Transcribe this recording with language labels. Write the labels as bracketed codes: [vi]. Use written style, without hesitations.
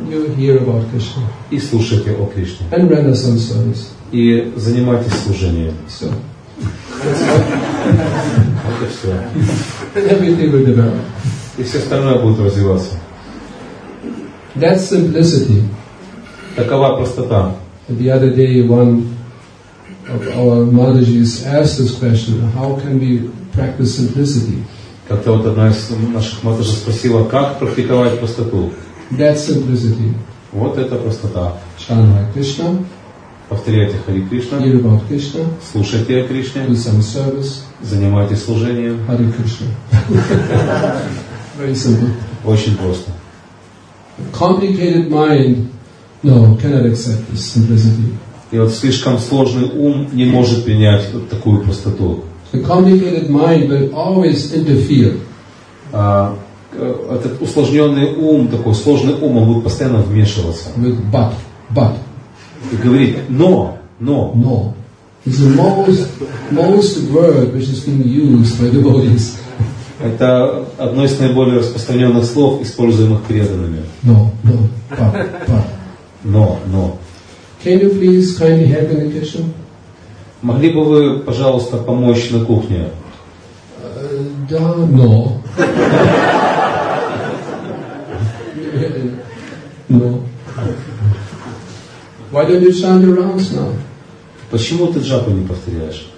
[en] You hear about Krishna. [ru] И слушайте о Кришне. [en] And render some service. [ru] И занимайтесь служением. [en] So. [ru] Вот и все. [en] And everything will develop. [ru] И все остальное будет развиваться. [en] That's simplicity. [ru] Такова простота. [en] And the other day one of our Madhajis asked this question, how can we practice simplicity? [ru] Как-то вот одна из наших Мадхаджи спросила, как практиковать простоту? [en] That's simplicity. [ru] Вот это простота. [en] Chant Hare Krishna. [ru] Повторяйте Hare Krishna. [en] Hear about Krishna. [ru] Слушайте о Кришне. [en] Do some service. [ru] Занимайтесь служением. [en] Hare Krishna. Very simple. [ru] Очень просто. [en] Complicated mind, no, cannot accept this simplicity. [ru] И вот слишком сложный ум не может принять вот такую простоту. [en] The complicated mind will always interfere. [ru] Этот усложненный ум, такой сложный ум, он будет постоянно вмешиваться. [en] With but. [ru] И говорит, но. [en] It's the most word which is being used by devotees. [ru] Это одно из наиболее распространенных слов, используемых преданными. Но. [en] Can you please kindly help in the kitchen? [ru] Могли бы вы, пожалуйста, помочь на кухне? Да, но. Но. [en] Why don't you chant your rounds now? [ru] Почему ты джапу не повторяешь?